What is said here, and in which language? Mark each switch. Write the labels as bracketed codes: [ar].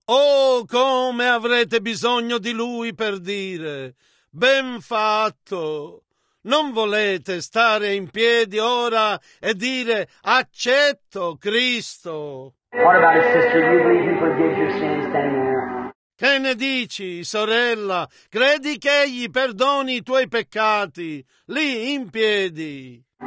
[it] Oh, come avrete bisogno di lui per dire, ben fatto, non volete stare in piedi ora e dire, accetto Cristo. [en] What about it, sister? You believe he forgives your sins then? [it] Che ne dici, sorella? Credi che egli perdoni i tuoi peccati, lì in piedi?